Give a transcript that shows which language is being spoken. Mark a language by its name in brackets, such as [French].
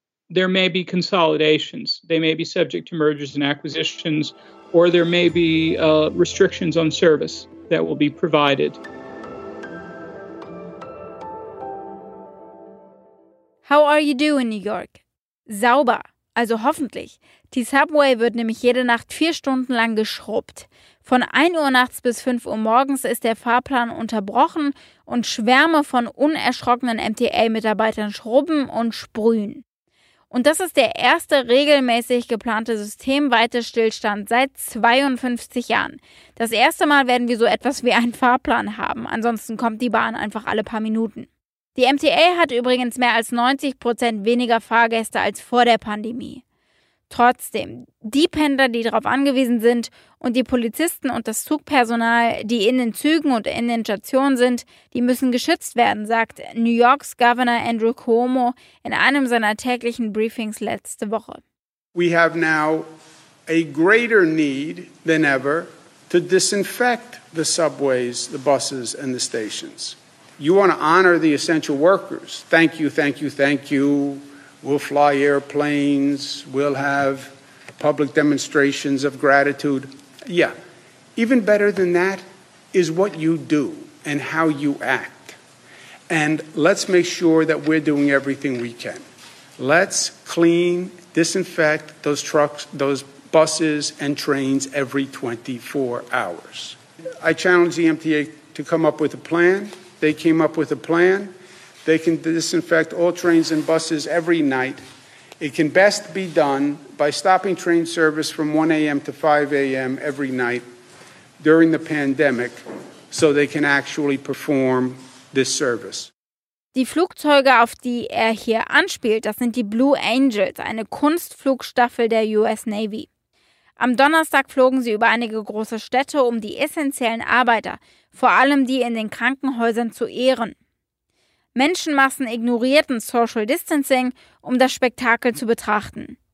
[English] There may be consolidations. They may be subject to mergers and acquisitions, or there may be restrictions on service that will be provided. How are you doing, New York? [German] Sauber. Also hoffentlich. Die Subway wird nämlich jede Nacht 4 Stunden lang geschrubbt. Von 1 Uhr nachts bis 5 Uhr morgens ist der Fahrplan unterbrochen und Schwärme von unerschrockenen MTA-Mitarbeitern schrubben und sprühen. Und das ist der erste regelmäßig geplante systemweite Stillstand seit 52 Jahren. Das erste Mal werden wir so etwas wie einen Fahrplan haben, ansonsten kommt die Bahn einfach alle paar Minuten. Die MTA hat übrigens mehr als 90% weniger Fahrgäste als vor der Pandemie. Trotzdem, die Pendler, die darauf angewiesen sind, und die Polizisten und das Zugpersonal, die in den Zügen und in den Stationen sind, die müssen geschützt werden, sagt New Yorks Governor Andrew Cuomo in einem seiner täglichen Briefings letzte Woche. [English] We have now a greater need than ever to disinfect the subways, the buses and the stations. You want to honor the essential workers. Thank you, thank you, thank you. We'll fly airplanes. We'll have public demonstrations of gratitude. Yeah. Even better than that is what you do and how you act. And let's make sure that we're doing everything we can. Let's clean, disinfect those trucks, those buses and trains every 24 hours. I challenge the MTA to come up with a plan. They came up with a plan. They can disinfect all trains and buses every night. It can best be done by stopping train service from 1 a.m. to 5 a.m. every night during the pandemic, so they can actually perform this service. [German] Die Flugzeuge, auf die hier anspielt, das sind die Blue Angels, eine Kunstflugstaffel der US Navy. Am Donnerstag flogen sie über einige große Städte, um die essentiellen Arbeiter, vor allem die in den Krankenhäusern, zu ehren. Menschenmassen ignorierten Social Distancing, um das Spektakel zu betrachten.